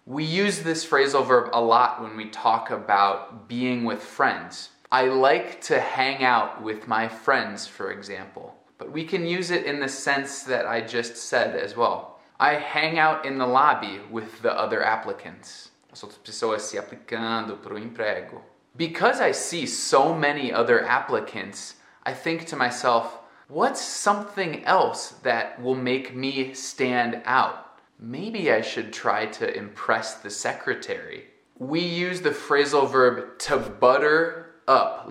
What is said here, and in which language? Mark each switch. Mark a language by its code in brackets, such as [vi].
[en] We use this phrasal verb a lot when we talk about being with friends. I like to hang out with my friends, for example. But we can use it in the sense that I just said as well. I hang out in the lobby with the other applicants. [pt] As outras pessoas se aplicando para o emprego. [en] Because I see so many other applicants, I think to myself, what's something else that will make me stand out? Maybe I should try to impress the secretary. We use the phrasal verb to butter up.